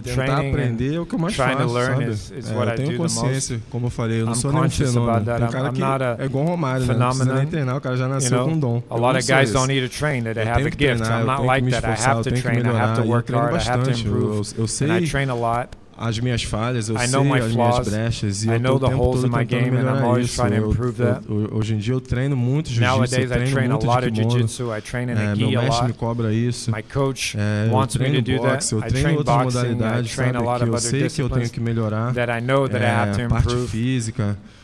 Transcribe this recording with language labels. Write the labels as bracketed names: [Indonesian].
[Portuguese] tentar aprender é o que eu mais faço, sabe? Eu tenho consciência, como eu falei, eu não sou nenhum fenômeno. Tem cara que é igual Romário, né? Não precisa nem treinar, o cara já nasceu com um dom. [English] A lot of guys don't need to train, they have a gift. I'm not like that. I have to train, I have to work hard, I have to improve. [Portuguese] Eu sei as minhas falhas, eu sei as minhas brechas, e eu estou o tempo todo tentando melhorar isso. Hoje em dia eu treino muito jiu-jitsu, eu treino muito de kimono, meu mestre me cobra isso, eu treino outras modalidades, sabe, que eu sei que eu tenho que melhorar, parte física.